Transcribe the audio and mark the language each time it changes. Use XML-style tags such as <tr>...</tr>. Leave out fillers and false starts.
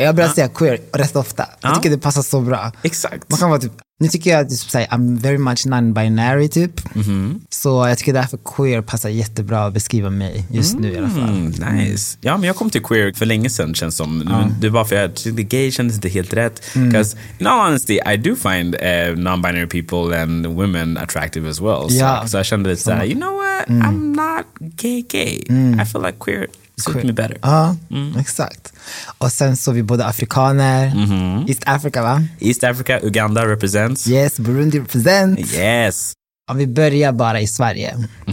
<sv>Jag börjar säga queer rätt ofta. Jag tycker det passar så bra. Exakt. Man kan vara typ, nu tycker jag att du säger</sv> <en>I'm very much non-binary</en> <sv>typ. Så jag tycker därför queer passar jättebra att beskriva mig just nu i alla fall. Nice. Ja, men jag kom till queer för länge sedan, känns som. Det var för att jag gay kändes inte helt rätt.</sv> <en>Because in all honesty, I do find non-binary people and women attractive as well.</en> <sv>Ja. Så jag kände lite såhär,</sv> <en>you know what? I'm not gay. I feel like queer suits me better.</en> <sv>Ja, exakt. Och sen så vi båda afrikaner. East Africa, va?</sv> <en>East Africa, Uganda represents. Yes, Burundi represents. Yes.</en> <sv>Om vi börjar bara i Sverige.</sv>